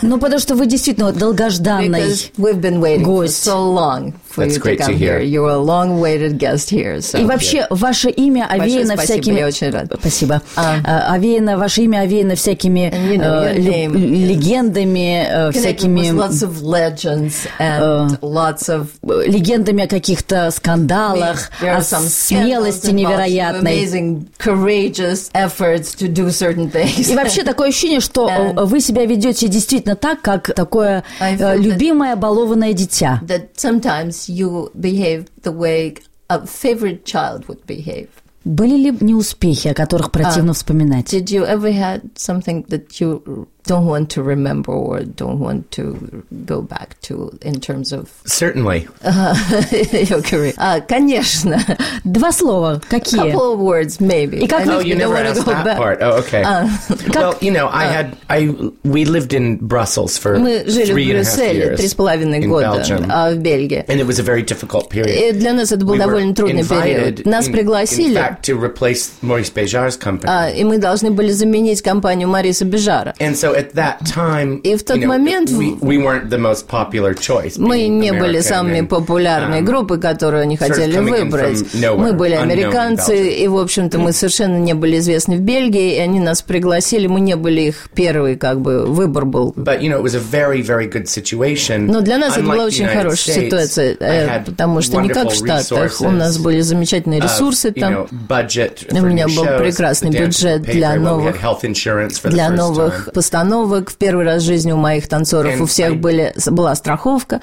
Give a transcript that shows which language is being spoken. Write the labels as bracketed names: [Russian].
[Russian] Ну, потому что вы действительно долгожданный гость. [English] Because we've been waiting for so long for you to come here. You are a long-awaited guest here. [Russian] И вообще, ваше имя овеяно всякими... Большое спасибо, я очень рада. Спасибо. Овеяно, ваше имя овеяно всякими легендами, всякими... [English] Lots of legends and lots of... [Russian] Легендами о каких-то скандалах, о смелости невероятной. [English] Amazing, courageous efforts to do certain things. [Russian] И вообще такое ощущение, что вы себя ведете действительно так, как такое любимое, балованное дитя. [English] That sometimes you behave the way a favorite child would behave. [Russian] Были ли неуспехи, о которых противно вспоминать? [English] Did you ever had something that you don't want to remember or don't want to go back to in terms of... Certainly. Your career. [Russian] Конечно. Два слова. Какие? [English] Couple of words, maybe. [Russian] И как [English] you never asked that back. Part. Oh, okay. Well, you know, I had... We lived in Brussels for 3.5 years in Belgium. And it was a very difficult period. [Russian] И для нас это был довольно трудный период. Нас пригласили. [English] In fact, back to replace Maurice Béjart's company. [Russian] И мы должны были заменить компанию Мориса Бежара. [English] And so at that time, we weren't the most popular choice. [Russian] Мы не были самыми популярной группой, которую они хотели выбрать. Мы были американцы, и, в общем-то, мы совершенно не были известны в Бельгии, и они нас пригласили, мы не были их первый, как бы, выбор был. [English] But, you know, it was a very, very good situation. [Russian] Но для нас это была очень хорошая ситуация, потому что не как в Штатах, у нас были замечательные ресурсы там. У меня был прекрасный бюджет для новых постановок. В первый раз в жизни у моих танцоров у всех была страховка.